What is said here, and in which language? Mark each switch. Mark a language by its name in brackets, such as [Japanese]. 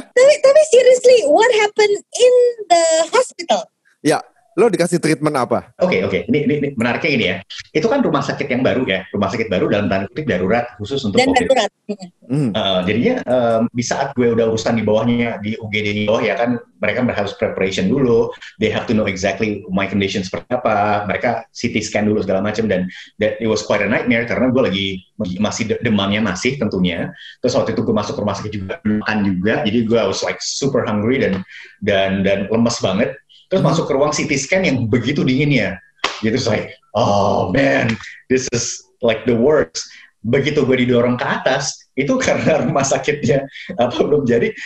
[Indonesian] Tapi [English] seriously, what happened in the hospital? [Indonesian] Ya, lo dikasih treatment apa? Okay. Ini menariknya ini ya. Itu kan rumah sakit yang baru ya. Rumah sakit baru dalam tanda kutip darurat khusus untuk COVID. Dan darurat. Jadinya di saat gue udah urusan di bawahnya, di UGD di bawah ya kan, mereka harus preparation dulu. [English] They have to know exactly my condition [Indonesian] seperti apa. Mereka CT scan dulu segala macam. Dan [English] that it was quite a nightmare [Indonesian] karena gue lagi masih demamnya masih tentunya. Terus waktu itu gue masuk rumah sakit juga, makan juga. Jadi gue [English] was like super hungry [Indonesian] dan lemes banget. Terus masuk ke ruang CT scan yang begitu dinginnya. Gitu, saya, [English] "Oh man, this is like the worst." [Indonesian] Begitu gue didorong ke atas, itu karena rumah sakitnya apa belum jadi.